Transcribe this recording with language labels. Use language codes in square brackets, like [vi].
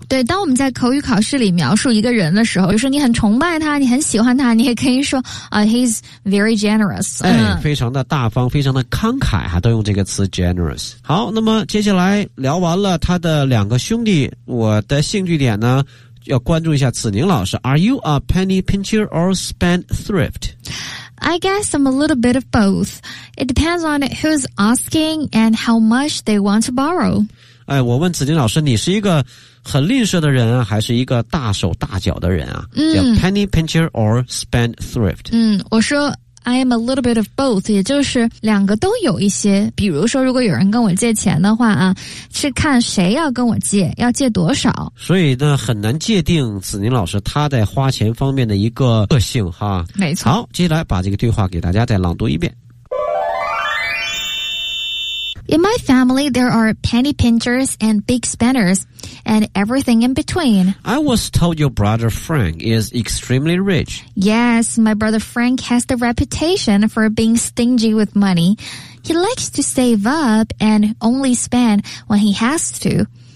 [zh] 嗯、对当我们在口语考试里描述一个人的时候就是你很崇拜他你很喜欢他你也可以说、 [en] he's very generous、 [zh] 哎、非常的大方非常的慷慨都用这个词 generous 好那么接下来聊完了他的两个兄弟我的兴趣点呢要关注一下子宁老师。 [en] Are you a penny pincher or spendthrift? I guess I'm a little bit of both. It depends on who's asking and how much they want to borrow. [zh] 哎，我问子宁老师，你是一个很吝啬的人啊，还是一个大手大脚的人啊？ [en] 叫 penny pincher or spendthrift? [zh] 我说 [en] I am a little bit of both, [zh] 也就是两个都有一些。比如说如果有人跟我借钱的话啊，去看谁要跟我借，要借多少。所以呢，很难界定子宁老师他在花钱方面的一个个性哈。没错。好，接下来把这个对话给大家再朗读一遍。 [en] In my family, there are penny pinchers and big spenders, and everything in between. I was told your brother Frank is extremely rich. Yes, my brother Frank has the reputation for being stingy with money. He likes to save up and only spend when he has to.